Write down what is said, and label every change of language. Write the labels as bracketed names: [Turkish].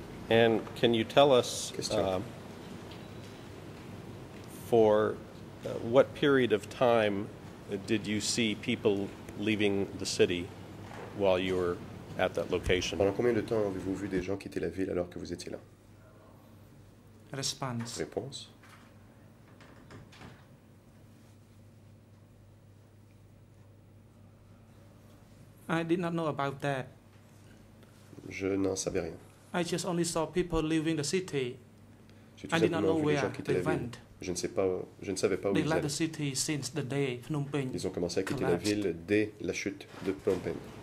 [English] And can you tell us for what period of time did you see people leaving the city while you were at that location? [French] Pendant combien de temps avez-vous vu des gens quitter la ville alors que vous étiez là? [English] Response. [French] Réponse. [English] I did not know about that. [French] Je n'en savais rien. [English] I just only saw people leaving the city. I did not know where they went. [French] Je ne savais pas où [English] they left the city since the day Phnom Penh collapsed. [French] Ils ont commencé à quitter la ville dès la chute de Phnom Penh.